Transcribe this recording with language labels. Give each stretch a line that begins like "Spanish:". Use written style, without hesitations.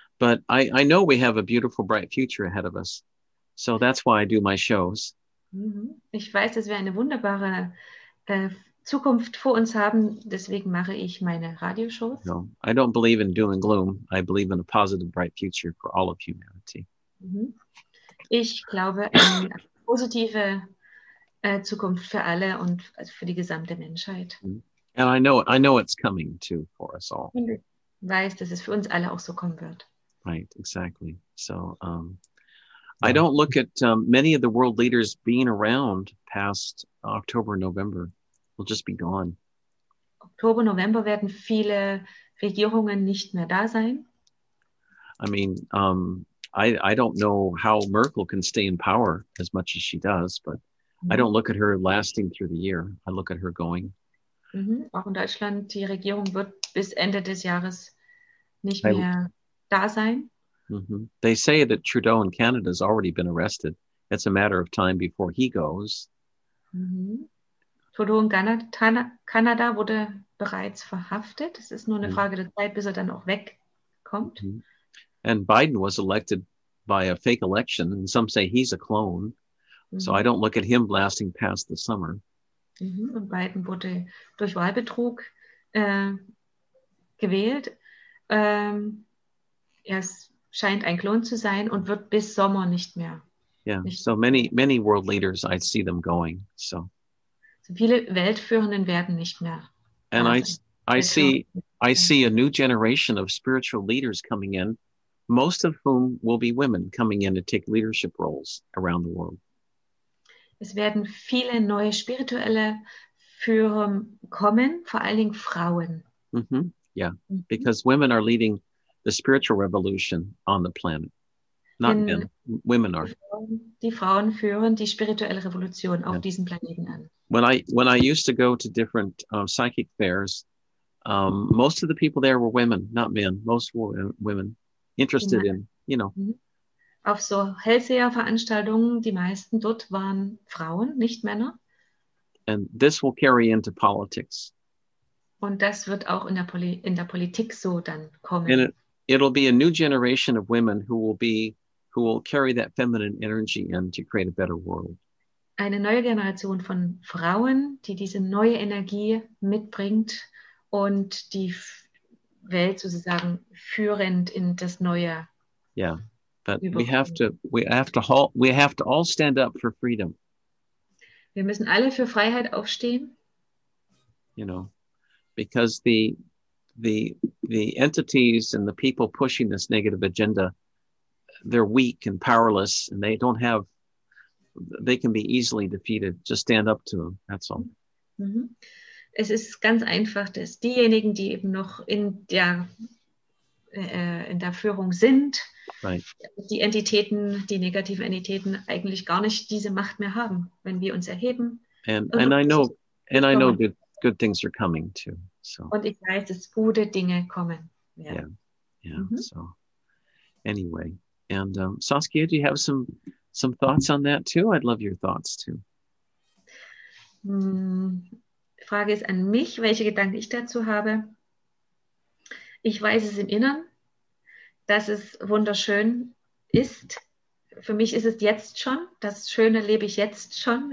English: But I know we have a beautiful, bright future ahead of us. So that's why I do my shows.
German: Ich weiß, dass wir eine wunderbare Zukunft vor uns haben. Deswegen mache ich meine Radioshows.
English: No, I don't believe in doom and gloom. I believe in a positive, bright future for all of humanity.
German: Ich glaube an eine positive Zukunft für alle und für die gesamte Menschheit.
English: And I know it's coming too for us all.
German: Und ich weiß, dass es für uns alle auch so kommen wird.
English: Right, exactly. So I don't look at many of the world leaders being around past October, November. We'll just be gone.
German: Oktober, November werden viele Regierungen nicht mehr da sein.
English: I mean, I don't know how Merkel can stay in power as much as she does, but I don't look at her lasting through the year. I look at her going. Mm-hmm.
German: Auch in Deutschland, die Regierung wird bis Ende des Jahres nicht mehr da sein. Mm-hmm.
English: They say that Trudeau in Canada has already been arrested. It's a matter of time before he goes.
German: Mm-hmm. Trudeau in Kanada wurde bereits verhaftet. Es ist nur eine Frage der Zeit, bis er dann auch wegkommt. Mm-hmm.
English: And Biden was elected by a fake election. And some say he's a clone. So I don't look at him blasting past the summer.
German: Und Biden wurde durch Wahlbetrug gewählt. Er scheint ein Klon zu sein und wird bis Sommer nicht mehr.
English: Yeah, so many, many world leaders, I see them going. So,
German: so viele Weltführenden werden nicht mehr.
English: And I see a new generation of spiritual leaders coming in, most of whom will be women coming in to take leadership roles around the world.
German: Es werden viele neue spirituelle Führer kommen, vor allen Dingen Frauen. Mm-hmm.
English: Yeah, because women are leading the spiritual revolution on the planet. Not men, women are.
German: Die Frauen führen die spirituelle Revolution auf diesem Planeten an.
English: When I used to go to different psychic fairs, most of the people there were women, not men. Most were women interested in, you know.
German: Auf so Hellseher-Veranstaltungen, die meisten dort waren Frauen, nicht Männer.
English: And this will carry into politics.
German: Und das wird auch in der Politik so dann kommen.
English: And it'll be a new generation of women who will carry that feminine energy in to create a better world.
German: Eine neue Generation von Frauen, die diese neue Energie mitbringt und die Welt sozusagen führend in das neue.
English: Yeah, but we have to all stand up for freedom.
German: Wir müssen alle für Freiheit aufstehen.
English: You know, because the entities and the people pushing this negative agenda, they're weak and powerless, and they can be easily defeated. Just stand up to them. That's all.
German: Es ist ganz einfach, dass diejenigen, die eben noch in der Führung sind, die Entitäten, die negativen Entitäten, eigentlich gar nicht diese Macht mehr haben, wenn wir uns erheben.
English: And I know good things are coming too. So.
German: Und ich weiß, dass gute Dinge kommen.
English: So anyway. And Saskia, do you have some thoughts on that too? I'd love your thoughts too.
German: Frage ist an mich, welche Gedanken ich dazu habe. Ich weiß es im Innern, dass es wunderschön ist. Für mich ist es jetzt schon. Das Schöne lebe ich jetzt schon.